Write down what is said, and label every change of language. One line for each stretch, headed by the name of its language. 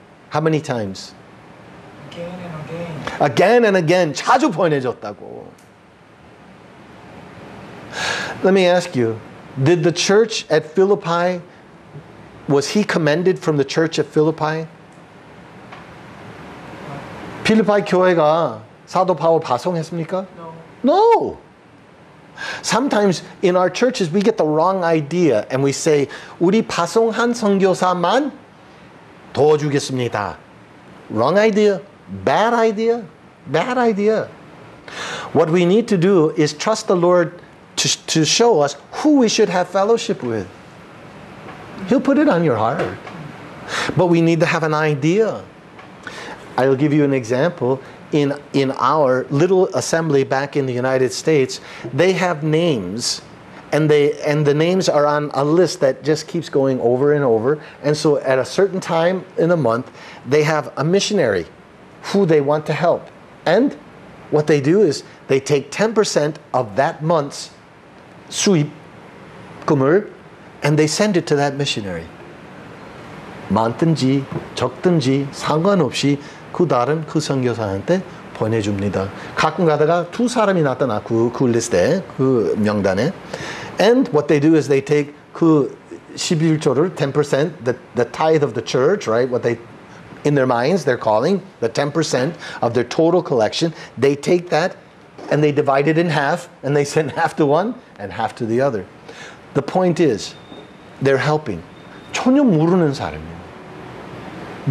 English: How many times? Again and again. Again and again.
Korean: 자주 보내줬다고.
English: Let me ask you, did the church at Philippi, was he commended from the church at Philippi?
Korean: 필리파이 교회가 사도 바울 파송했습니까?
English: No. No! Sometimes in our churches we get the wrong idea and we say,
Korean: 우리 파송한 선교사만 도와주겠습니다.
English: Wrong idea. Bad idea. Bad idea. What we need to do is trust the Lord to show us who we should have fellowship with. He'll put it on your heart. But we need to have an idea. I'll give you an example. In our little assembly back in the United States, they have names, and the names are on a list that just keeps going over and over. And so at a certain time in a month, they have a missionary who they want to help. And what they do is they take 10% of that month's 수입금을 and they send it to that missionary.
Korean: 많든지 적든지 상관없이 그 다른 그 선교사한테 보내줍니다. 가끔 가다가 두 사람이 나타나 그 리스트에, 그 명단에.
English: And what they do is they take
Korean: 그 11조를
English: 10%, the tithe of the church, right? What they, in their minds, they're calling the 10% of their total collection. They take that and they divide it in half and they send half to one and half to the other. The point is, they're helping.
Korean: 전혀 모르는 사람이에요.